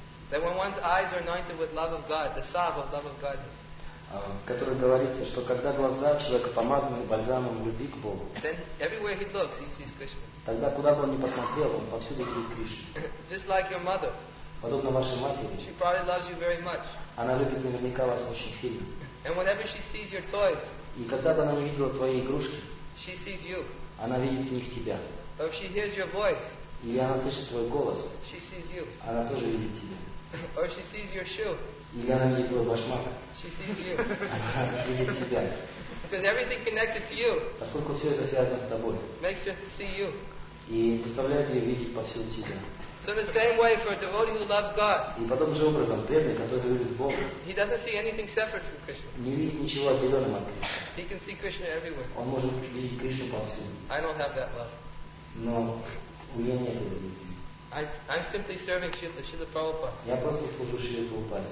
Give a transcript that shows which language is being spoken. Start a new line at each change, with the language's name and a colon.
English: That when one's eyes are anointed with love of God, the sava of love of God.
Russian: Который говорится, что когда глаза человека помазаны бальзамом любви к Богу.
English: Then everywhere he looks, he sees Krishna.
Russian: Тогда куда бы он ни посмотрел, он повсюду видит Кришну.
English: Just like your mother.
Russian: Подобно вашей матери.
English: She probably loves you very much.
Russian: Она любит наверняка вас очень сильно.
English: And whenever she sees your toys,
Russian: и когда бы она не видела твои игрушки,
English: she sees you.
Russian: Она видит в них тебя.
English: But if she hears your voice,
Russian: и она слышит твой голос,
English: she sees you.
Russian: Она тоже видит тебя.
English: Or she sees your shoe,
Russian: или она видит твой башмак,
English: she sees you.
Russian: Она видит тебя.
English: Because everything connected to you,
Russian: поскольку все это связано с тобой,
English: makes her see you.
Russian: И заставляет ее видеть повсюду тебя.
English: So in the same way for a devotee who loves God,
Russian: и потом же образом преданный, который любит Бога,
English: he doesn't see anything separate from Krishna.
Russian: Не видит ничего отделенного от Кришны.
English: He can see Krishna everywhere.
Russian: Он может видеть Кришну повсюду.
English: I don't have that love.
Russian: Но у меня нет этого любви.
English: I'm simply serving Śrīla Prabhupāda.
Russian: Я просто служу Śrīla Prabhupāda.